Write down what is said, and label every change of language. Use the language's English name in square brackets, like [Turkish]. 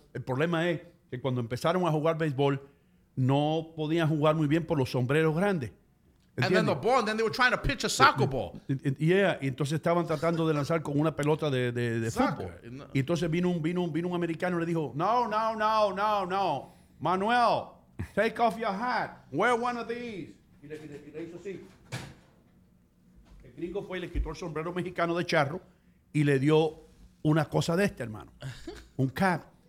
[Spanish] El problema es que cuando empezaron a jugar baseball, no podían jugar muy bien por los sombreros grandes. [English] And then the ball, and then they were trying to pitch a soccer ball. [Spanish] Yeah, entonces estaban tratando de lanzar con una pelota de fútbol. Y entonces vino un americano y le dijo, no, Manuel, [English] take off your hat, wear one of these. [Spanish] Y le hizo así. El gringo fue y le quitó el sombrero mexicano de charro y le dio una cosa de este, hermano, un cap.